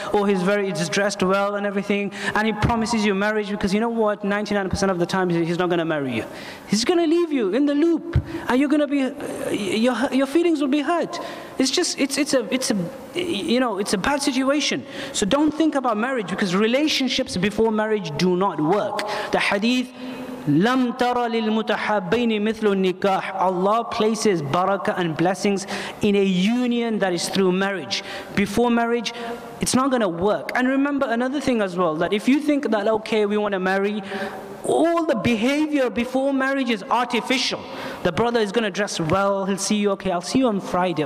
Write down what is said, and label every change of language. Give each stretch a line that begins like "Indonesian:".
English: Or he's very, he's dressed well and everything. And he promises you marriage because you know what? 99% of the time, he's not going to marry you. He's going to leave you in the loop. And you're going to be, your feelings will be hurt. It's just, it's a bad situation. So don't think about marriage because relationships before marriage do not work. The hadith,
Arabic: لَمْ تَرَ لِلْمُتَحَبَّيْنِ مِثْلُ النِّكَاحِ.
English: Allah places barakah and blessings in a union that is through marriage. Before marriage, it's not going to work. And remember another thing as well, that if you think that, okay, we want to marry, all the behavior before marriage is artificial. The brother is going to dress well. He'll see you. Okay, I'll see you on Friday.